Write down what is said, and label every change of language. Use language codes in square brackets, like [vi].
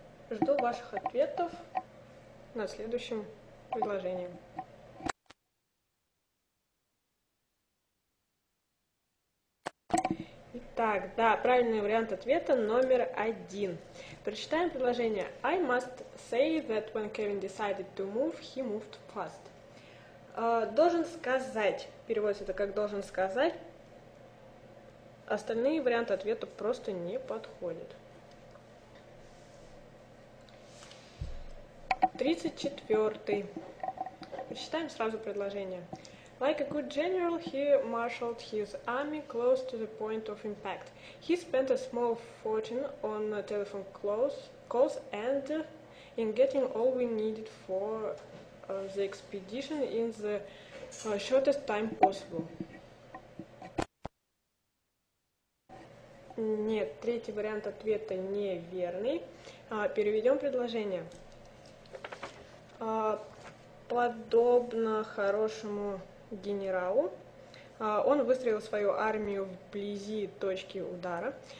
[ru] Жду ваших ответов на следующем предложении. Итак, да, правильный вариант ответа номер один. Прочитаем предложение. [en] I must say that when Kevin decided to move, he moved fast. [ru] Должен сказать. Переводится это как должен сказать. Остальные варианты ответа просто не подходят. 34-й. Прочитаем сразу предложение. [en] Like a good general, he marshaled his army close to the point of impact. He spent a small fortune on telephone calls and in getting all we needed for the expedition in the shortest time possible. [ru] Нет, третий вариант ответа неверный. Переведем предложение. Подобно хорошему генералу. Он выстроил свою армию вблизи точки удара.